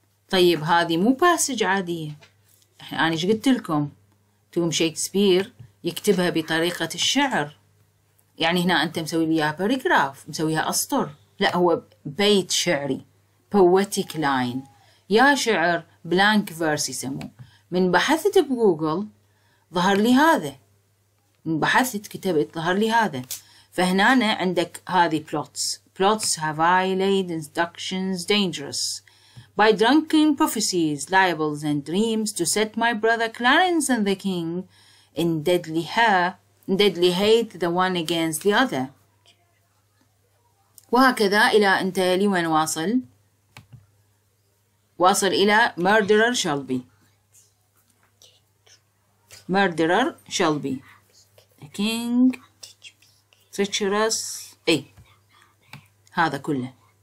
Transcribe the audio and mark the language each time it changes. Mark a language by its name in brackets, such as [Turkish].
[Arabic] طيب هذه مو باسج عادية، احنا أنا ايش قلت لكم؟ توم شيكسبير يكتبها بطريقة الشعر، يعني هنا أنت مسوي لي باراجراف، مسويها أسطر، لا هو بيت شعري [English] poetic line، [Arabic] يا شعر بلانك فيرس يسموه. من بحثت بجوجل ظهر لي هذا، من بحثت كتبت ظهر لي هذا. فهنا عندك هذه plots. [English] Plots have I laid instructions dangerous by drunken prophecies, libels and dreams to set my brother Clarence and the king in deadly hate the one against the other. [Arabic] وهكذا إلى أنت لوين واصل؟ واصل إلى [English] murderer shall be. Murderer shall be. The king. Treachers, [Arabic] اي هذا كله.